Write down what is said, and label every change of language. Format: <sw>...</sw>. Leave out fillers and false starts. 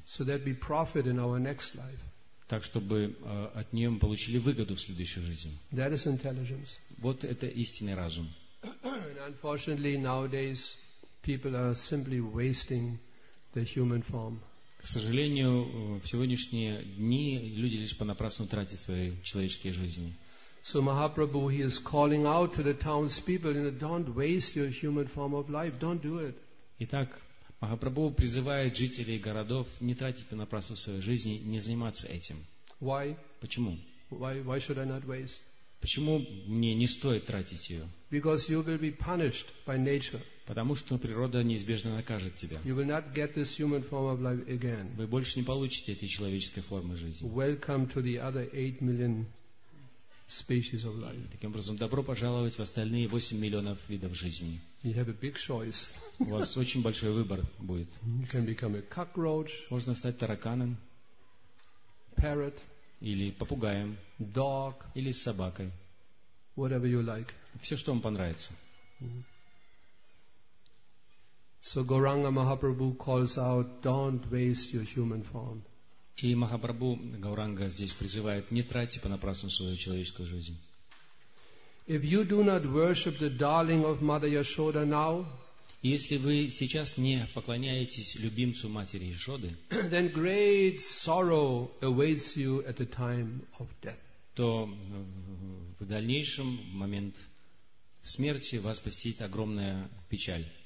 <en>So that we profit in our next life.</en> <ru>Так, чтобы от нее мы получили выгоду в следующей жизни.</ru> <en>That is intelligence.</en> <ru>Вот это истинный разум.</ru> <en>And unfortunately, nowadays, people are simply wasting the human form.</en> <ru>К сожалению, в сегодняшние дни люди лишь понапрасну тратят свои человеческие жизни.</ru> <en>So Mahaprabhu, he is calling out to the townspeople, you know, don't waste your human form of life, don't do it.</en> <ru>Итак, Махапрабху призывает жителей городов не тратить понапрасну свою жизнь, не заниматься этим.</ru> <en>Why?</en> <ru>Почему?</ru> <en>Why should I not waste?</en> <ru>Почему мне не стоит тратить ее?</ru> <en>Because you will be punished by nature.</en> <ru>Потому что природа неизбежно накажет тебя.</ru> <en>You will not get this human form of life again.</en> <ru>Вы больше не получите этой человеческой формы жизни.</ru> <en>Welcome to the other 8 million species of life.</en> <ru>Таким образом, добро пожаловать в остальные 8 миллионов видов жизни.</ru> <en>You have a big choice.</en> <ru>У вас очень большой выбор будет.</ru> <en>You can become a cockroach.</en> <ru>Можно стать тараканом.</ru> <en>Parrot.</en> <ru>Или попугаем.</ru> <en>Dog.</en> <ru>Или собакой.</ru> <en>Whatever you like.</en> <ru>Все, что вам понравится.</ru> <en>So Gauranga Mahaprabhu calls out, don't waste your human form.</en> <ru>И Махапрабху Гауранга здесь призывает, не тратьте понапрасну свою человеческую жизнь. Если вы сейчас не поклоняетесь любимцу матери Яшоды, то в дальнейшем, в момент смерти, вас посетит огромная печаль.</ru>